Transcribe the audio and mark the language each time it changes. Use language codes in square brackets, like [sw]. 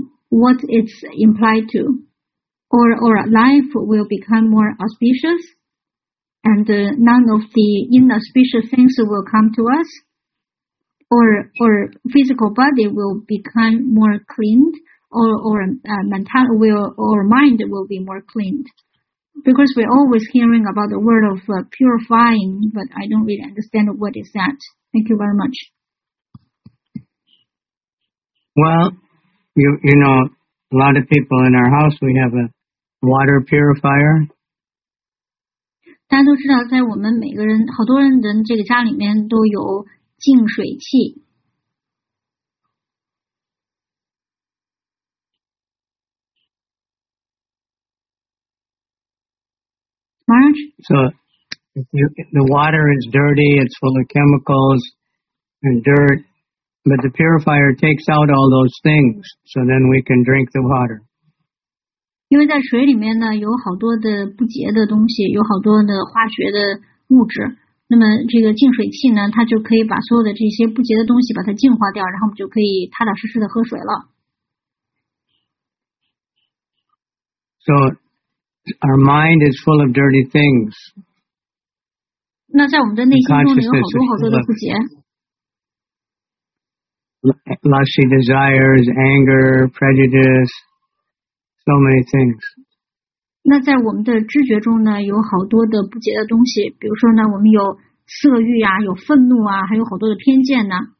[en] What it's implied to, or life will become more auspicious, and none of the inauspicious things will come to us, or physical body will become more cleaned, or mind will be more cleaned, because we're always hearing about the word of purifying, but I don't really understand what is that. Thank you very much. Well, you know. A lot of people in our house, we have a water purifier. [zh] 大家都知道，在我们每个人，好多人的这个家里面都有净水器。 Marge? [en] So, the water is dirty, it's full of chemicals and dirt. But the purifier takes out all those things, so then we can drink the water. [zh] 因为在水里面呢，有好多的不洁的东西，有好多的化学的物质。那么这个净水器呢，它就可以把所有的这些不洁的东西把它净化掉，然后我们就可以踏踏实实的喝水了。 [en] So our mind is full of dirty things. [zh] 那在我们的内心中有好多好多的不洁。 [en] Lusty desires, anger, prejudice, so many things. [zh] 那在我们的知觉中呢，有好多的不洁的东西，比如说呢，我们有色欲啊，有愤怒啊，还有好多的偏见呢。